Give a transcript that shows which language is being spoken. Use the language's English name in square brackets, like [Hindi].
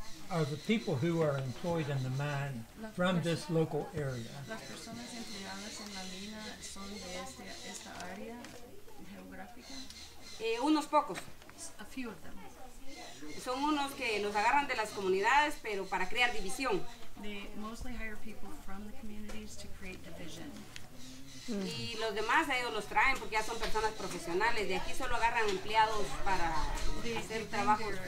[English] Are the people who are employed in the mine from this local area? [Spanish] Las personas empleadas en la mina son de esta área geográfica. Unos pocos. [English] A few of them. [Spanish] Son unos que los agarran de las comunidades, pero para crear división. [English] They mostly hire people from the communities to create division. [Spanish] Y los demás a ellos los traen porque ya son personas profesionales. De aquí solo agarran empleados para hacer trabajo.